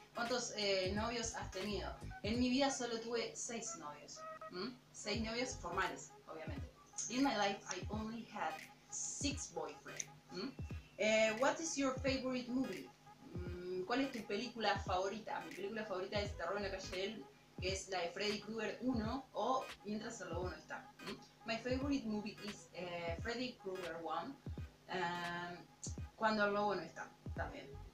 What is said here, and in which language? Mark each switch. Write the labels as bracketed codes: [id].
[es] ¿Cuántos novios has tenido? En mi vida solo tuve 6 novios. 6 novios formales, obviamente. [en] In my life I only had 6 boyfriends. What is your favorite movie? [es] ¿Cuál es tu película favorita? Mi película favorita es Terror en la calle del, que es la de Freddy Krueger 1 o Mientras el lobo no está. [en] My favorite movie is Freddy Krueger 1, Cuando el lobo no está, también.